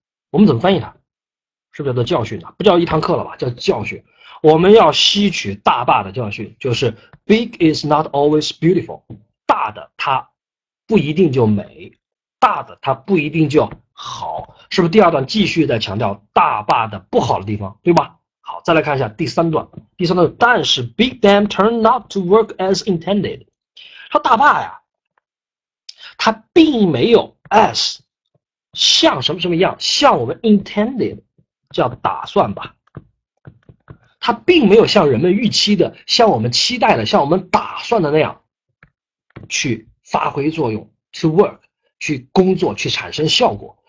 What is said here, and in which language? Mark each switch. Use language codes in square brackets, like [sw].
[zh] 我们怎么翻译它？是不是叫做教训呢？不叫一堂课了吧？叫教训。我们要吸取大坝的教训，就是 [en] Big is not always beautiful。 [zh] 大的它不一定就美，大的它不一定就好。是不是第二段继续在强调大坝的不好的地方，对吧？好，再来看一下第三段。第三段，但是 [en] Big Dam turned not to work as intended。 [zh] 它大坝呀，它并没有 as 像什么什么一样，像我们 intended 叫打算吧。它并没有像人们预期的、像我们期待的、像我们打算的那样去发挥作用 ， [en] to work [zh] 去工作去产生效果。